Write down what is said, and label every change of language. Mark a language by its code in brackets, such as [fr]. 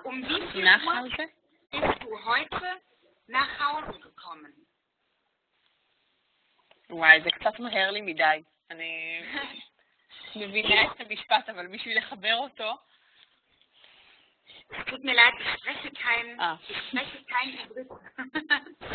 [de] Um wie viel Uhr bist du heute nach Hause gekommen? [he] וואי, זה קצת מהר לי מדי. אני מבינה את המשפט, אבל בשביל לחבר אותו... [de] Es tut mir leid, ich spreche kein Hebräisch.